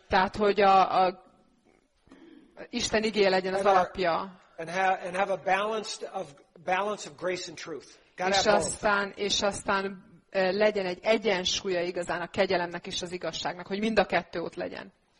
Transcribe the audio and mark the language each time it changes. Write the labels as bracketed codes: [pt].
[hu] Tehát, hogy a Isten igéje legyen az alapja. [en] And have a balance of grace and truth. [hu] És aztán legyen egy egyensúlya igazán a kegyelemnek és az igazságnak, hogy mind a kettő ott legyen.